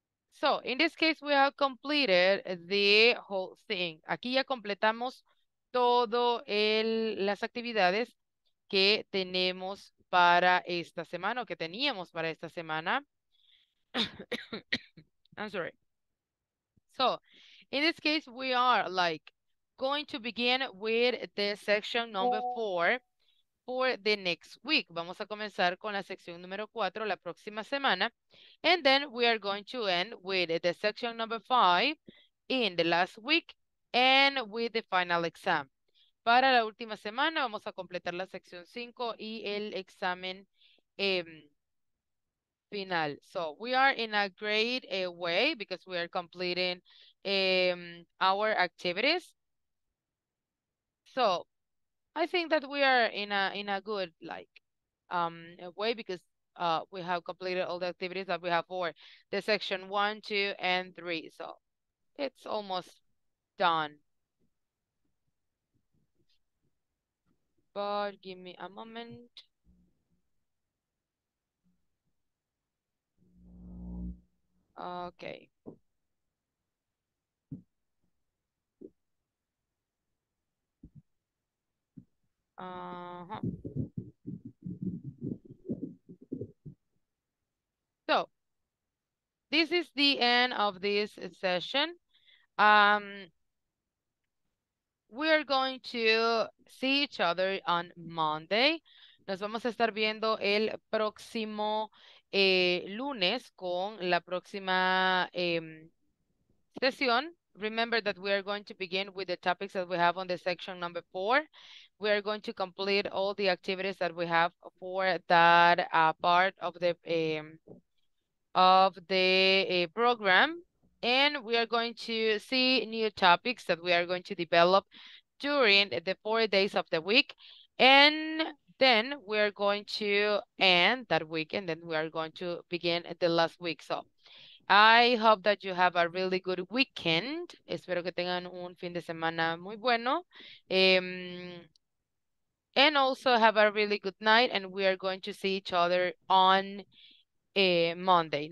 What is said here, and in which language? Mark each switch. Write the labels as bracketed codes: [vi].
[en] So, in this case, we have completed the whole thing. [es] Aquí ya completamos todo el, las actividades que tenemos para esta semana, o que teníamos para esta semana. [en] I'm sorry. So, in this case, we are like going to begin with the section number four for the next week. [es] Vamos a comenzar con la sección número cuatro la próxima semana. [en] And then we are going to end with the section number five in the last week and with the final exam. [es] Para la última semana vamos a completar la sección 5 y el examen final. [en] So we are in a great way because we are completing our activities. So I think that we are in a good like way because we have completed all the activities that we have for the section 1, 2, and 3. So it's almost done. But give me a moment. Okay. So, this is the end of this session. We're going to see each other on Monday. [es] Nos vamos a estar viendo el próximo lunes con la próxima sesión. [en] Remember that we are going to begin with the topics that we have on the section number four. We are going to complete all the activities that we have for that part of the program. And we are going to see new topics that we are going to develop during the 4 days of the week. And then we are going to end that week and then we are going to begin the last week. So I hope that you have a really good weekend. [es] Espero que tengan un fin de semana muy bueno. [en] And also have a really good night and we are going to see each other on Monday.